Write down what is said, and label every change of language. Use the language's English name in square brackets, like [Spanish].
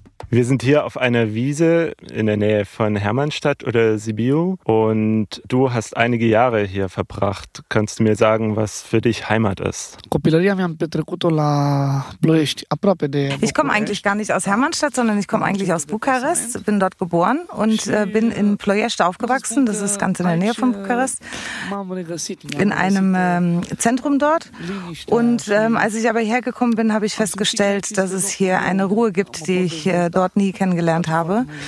[German] Wir sind hier auf einer Wiese in der Nähe von Hermannstadt oder Sibiu und du hast einige Jahre hier verbracht. Kannst du mir sagen, was für dich Heimat ist? [Romanian] Copilăria mi-am petrecut-o la Ploiești, aproape de București. [German] Ich komme eigentlich gar nicht aus Hermannstadt, sondern ich komme eigentlich aus Bukarest, bin dort geboren und bin in Ploiești aufgewachsen, das ist ganz in der Nähe von Bukarest, in einem Zentrum dort. Und als ich aber hergekommen bin, habe ich festgestellt, dass es hier eine Ruhe gibt, die ich dort nie kennengelernt habe.